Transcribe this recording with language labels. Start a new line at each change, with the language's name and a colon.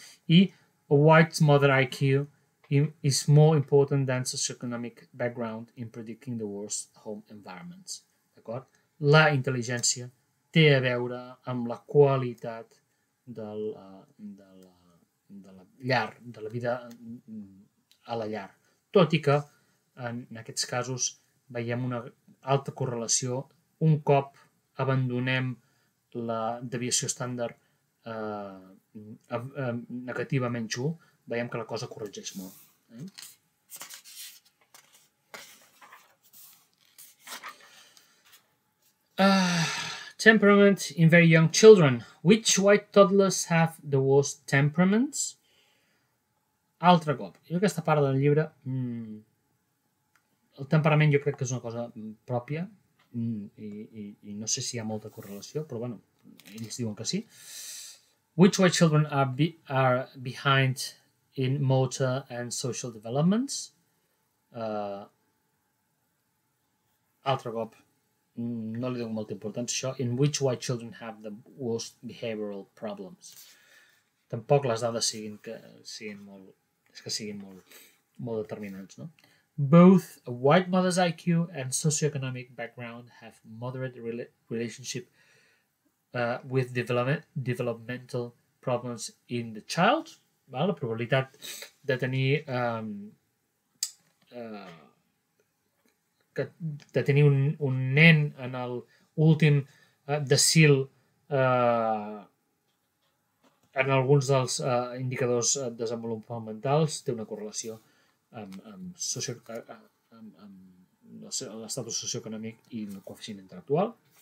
English: I a white mother IQ is more important than socioeconomic background in predicting the worst home environments.
Catalan: D'acord? La intel·ligència té a veure amb la qualitat de la llar, de la vida a la llar. Tot i que en aquests casos veiem una alta correlació un cop abandonem la deviació estàndard negativa menys 1, veiem que la cosa corregeix molt.
English: Temperament in very young children. Which white toddlers have the worst temperaments?
Catalan: Altre cop. Jo aquesta part del llibre... el temperament jo crec que és una cosa pròpia. I no sé si hi ha molta correlació, però bueno, ells diuen que sí.
English: Which white children are behind in motor and social developments?
Catalan: Altre cop, no li dono molta importància, això,
English: in which white children have the worst behavioral problems.
Catalan: Tampoc les dades siguin molt determinants, no?
English: Both a white mother's IQ and socioeconomic background have moderate relationship with developmental problems in the child.
Catalan: Val? La probabilitat de tenir un nen en el últim decil en alguns dels indicadors desenvolupamentals té una correlació amb l'estatus socioeconòmic i el coeficient intel·lectual.